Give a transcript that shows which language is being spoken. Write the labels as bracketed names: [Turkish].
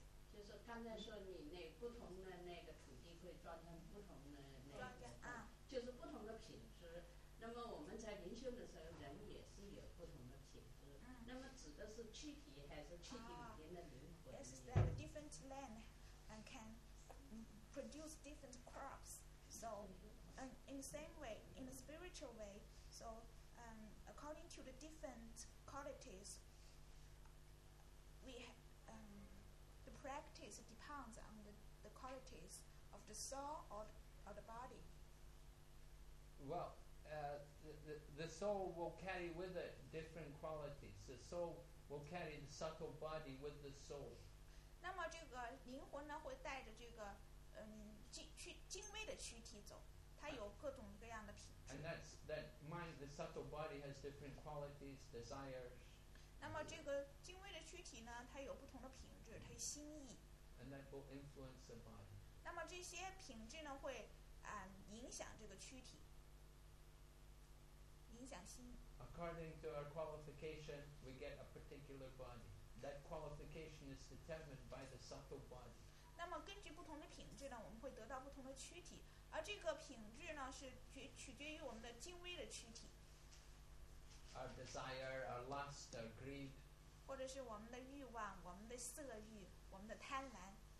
[Chinese] 就是刚才说你那不同的那个土地会装成不同的那个，就是不同的品质。那么我们在灵修的时候，人也是有不同的品质。那么指的是躯体还是躯体里面的灵魂？ [English] Yes, that different land and can produce different crops. So, in the same way, in a spiritual way, so according to the different qualities, the practice depends on the qualities of the soul or the body. Well, the soul will carry with it different qualities. The soul will carry the subtle body with the soul. [Chinese] 那么这个灵魂呢，会带着这个精微的躯体走。它有各种各样的品质。 [English] And that's that mind, the subtle body has different qualities, desires. [Chinese] 那么这个精微的躯体呢，它有不同的品质，它有心意。 [English] And that will influence the body. [Chinese] 那么这些品质呢，会影响这个躯体，影响心意。 [English] According to our qualification, we get a particular body. That qualification is determined by the subtle body. [Chinese] 那么根据不同的品质呢，我们会得到不同的躯体，而这个品质呢，是取决于我们的精微的躯体。 [English] Our desire, our lust, our greed. [Chinese] 或者是我们的欲望，我们的色欲，我们的贪婪。